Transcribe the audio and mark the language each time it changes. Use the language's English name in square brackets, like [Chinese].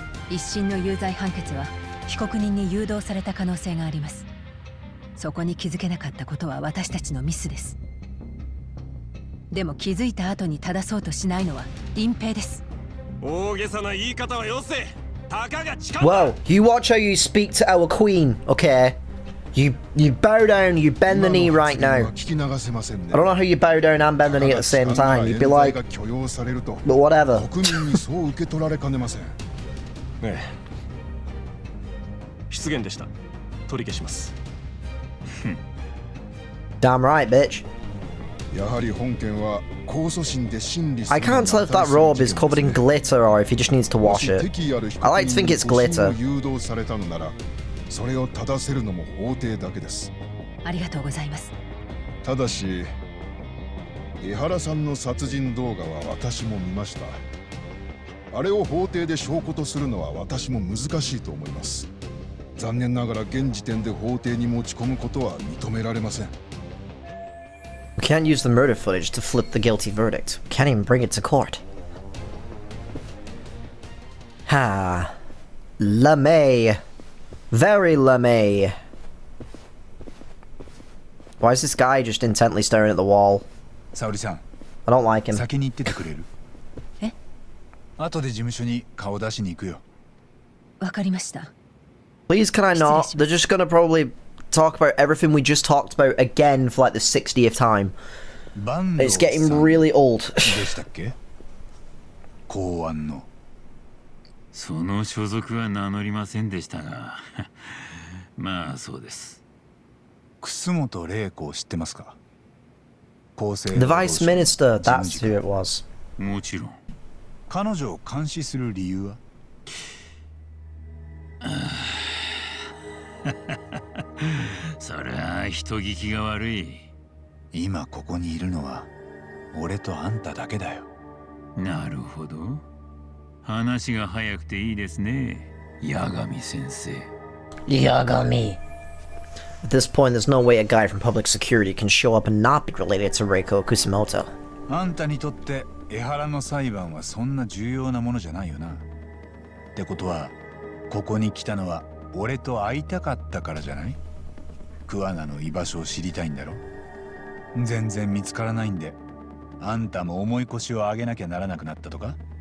[Japanese] 一審の有罪判決は被告人に誘導された可能性があります。そこに気づけなかったことは私たちのミスです。でも気づいた後に正そうとしないのは隠蔽です。大げさな言い方はよせ。たかが近い。 [English] Well, you watch how you speak to our queen, okay? You bow down, you bend the knee right now. I don't know how you bow down and bend the knee at the same time. You'd be like, but whatever. [Japanese] 国民にそう受け取られかねません。ねえ、失言でした。取り消します。 [English] Damn right, bitch. [Japanese] やはり本件は控訴審で審理する。 [English] I can't tell if that robe is covered in glitter or if he just needs to wash it. I like to think it's glitter. [Japanese] 誘導されたのなら、それを正せるのも法廷だけです。ありがとうございます。ただし江原さんの殺人動画は私も見ました。あれを法廷で証拠とするのは私も難しいと思います。残念ながら現時点で法廷に持ち込むことは認められません。 [English] We can't use the murder footage to flip the guilty verdict. We can't even bring it to court. Ha, LeMay. Very LeMay. Why is this guy just intently staring at the wall? [Japanese] Saori-san, [English] I don't like him. [Japanese] 先に行っててくれる？え？後で事務所に顔出しに行くよ。わかりました。 [English] Please, can I not? They're just gonna probably talk about everything we just talked about again for like the 60th time. It's getting really old. [Japanese] でしたっけ？公安の。その所属は名乗りませんでしたが、まあそうです。楠本玲子を知ってますか？ [English] 厚生労働省。The Vice Minister, that's who it was. [Japanese] もちろん。彼女を監視する理由は？それは人聞きが悪い。今ここにいるのは俺とあんただけだよ。なるほど。話が早くていいですね、ヤガミ先生。ヤガミ。 [English] At this point, there's no way a guy from public security can show up and not be related to Reiko Kusumoto. [Japanese] あんたにとって、エハラの裁判はそんな重要なものじゃないよな。ってことは、ここに来たのは俺と会いたかったからじゃない？クワナの居場所を知りたいんだろ？全然見つからないんで、あんたも重い腰を上げなきゃならなくなったとか？